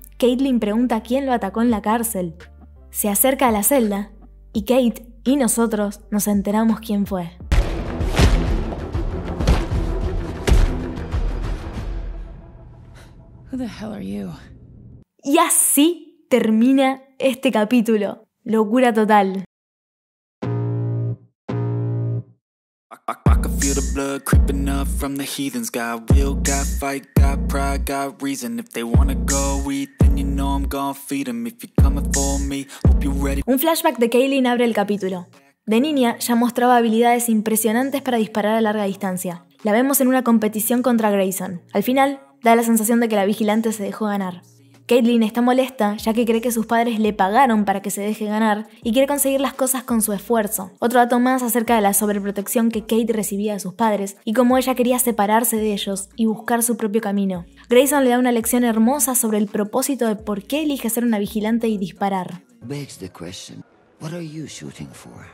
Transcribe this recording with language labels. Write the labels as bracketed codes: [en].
[es] Caitlyn pregunta quién lo atacó en la cárcel. Se acerca a la celda y Kate y nosotros nos enteramos quién fue. [en] Who the hell are you? [es] Y así termina este capítulo. Locura total. [en] I can feel the blood creeping up from the heathens. Got will, got fight, got pride, got reason. If they wanna go eat, then you know I'm gonna feed them. If you're coming for me, hope you're ready. [es] Un flashback de Caitlyn abre el capítulo. De niña, ya mostraba habilidades impresionantes para disparar a larga distancia. La vemos en una competición contra Grayson. Al final, da la sensación de que la vigilante se dejó ganar. Caitlyn está molesta ya que cree que sus padres le pagaron para que se deje ganar y quiere conseguir las cosas con su esfuerzo. Otro dato más acerca de la sobreprotección que Kate recibía de sus padres y cómo ella quería separarse de ellos y buscar su propio camino. Grayson le da una lección hermosa sobre el propósito de por qué elige ser una vigilante y disparar. [en] Begs the question, what are you shooting for?